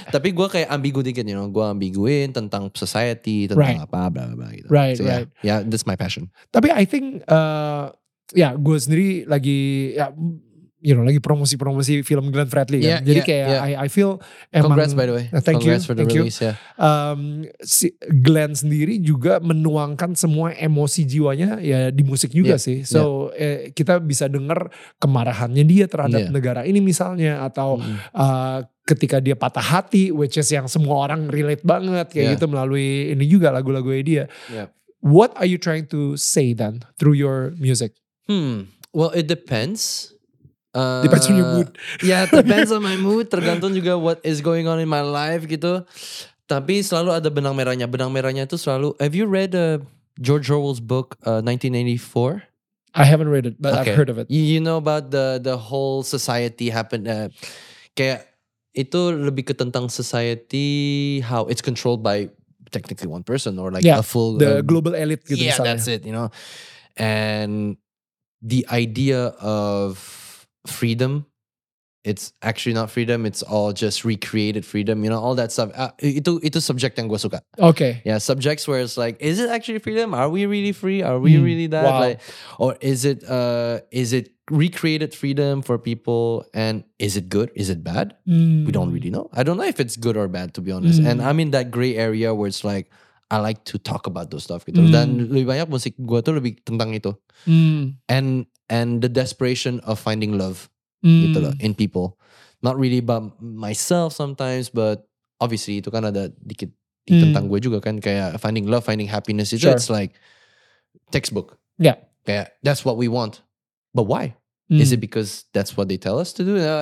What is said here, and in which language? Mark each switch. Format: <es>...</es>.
<id>Tapi gue kayak ambigu dikit,</id> <en>you know,</en> <id>gue ambiguin tentang society, tentang apa, bla bla bla gitu.</id> <en>Right, so, yeah, that's my passion.</en> <id>Tapi</id> <en>I think,</en> <id>gue sendiri lagi,</id> <en>you know,</en> <id>lagi promosi-promosi film Glenn Fredly kan. Jadi</id> <en>I feel</en> <id>emang,</id> <en>congrats by the way. Congrats for the release.</en> <id>Si Glenn sendiri juga menuangkan semua emosi jiwanya ya di musik juga sih. So kita bisa dengar kemarahannya dia terhadap negara ini misalnya, atau ketika dia patah hati,</id> <en>which is</en> <id>yang semua orang relate banget kayak gitu melalui ini juga lagu-lagu dia.</id> <en>What are you trying to say then through your music? Well, it depends. Depends on your mood. Depends on my mood.</en> <id>Tergantung juga</id> <en>what is going on in my life gitu.</en> <id>Tapi selalu ada benang merahnya. Benang merahnya itu selalu.</id> <en>Have you read George Orwell's book 1984? I haven't read it, but I've heard of it. You know about the whole society happened.</en> <id>Kayak itu lebih ke tentang society,</id> <en>how it's controlled by technically one person or like a full the global elite gitu. Yeah, that's it. You know, and the idea of freedom, it's actually not freedom, it's all just recreated freedom, you know, all that stuff.</en> <id>Itu subject yang gue suka.</id> <en>Okay. Yeah, subjects where it's like, is it actually freedom? Are we really free? Are we really that? Wow. Like, or is it recreated freedom for people, and is it good? Is it bad? We don't really know. I don't know if it's good or bad, to be honest. And I'm in that gray area where it's like, I like to talk about those stuff gitu.</en> <id>Dan lebih banyak musik gue tuh lebih tentang itu.</id> <en>And the desperation of finding love gitu loh, in people. Not really about myself sometimes, but obviously</en> <id>itu kan ada dikit tentang gue juga kan.</id> <en>Kayak finding love, finding happiness. Itu it's like textbook. Yeah. Kayak that's what we want. But why? Is it because that's what they tell us to do?</en>